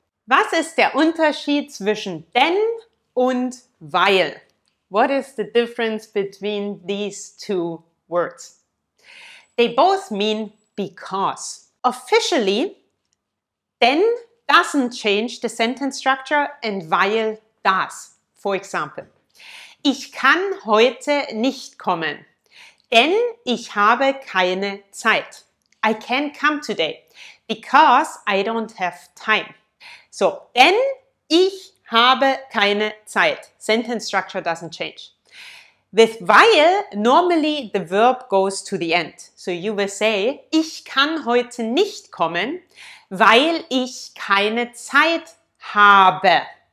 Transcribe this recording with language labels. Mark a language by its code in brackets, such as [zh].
[de] Was ist der Unterschied zwischen denn und weil? [en] What is the difference between these two words? They both mean because. Officially, denn doesn't change the sentence structure and weil does. For example, [de] ich kann heute nicht kommen, denn ich habe keine Zeit. [en] I can't come today because I don't have time. [de] So, denn ich habe keine Zeit. [en] Sentence structure doesn't change. With weil, normally the verb goes to the end. So you will say, [de] ich kann heute nicht kommen, weil ich keine Zeit habe.